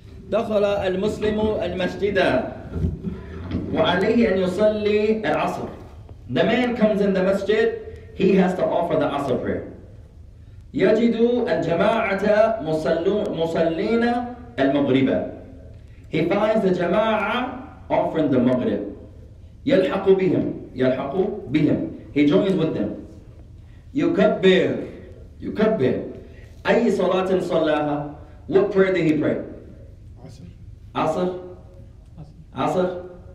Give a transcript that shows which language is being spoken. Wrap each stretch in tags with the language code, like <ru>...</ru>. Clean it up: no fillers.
<ar>دخل المسلم المسجد وعليه أن يصلي العصر.</ar> <en>The man comes in the masjid, he has to offer the asr prayer.</en> <ar>يجد الجماعة مصلين المغرب.</ar> <en>He finds the جماعة offering the maghrib.</en> <ar>يلحق بهم. يلحق بهم.</ar> <en>He joins with them.</en> <ar>يكبر. يكبر. أي صلاة صلاها.</ar> <en>What prayer did he pray? Asr? Asr?</en>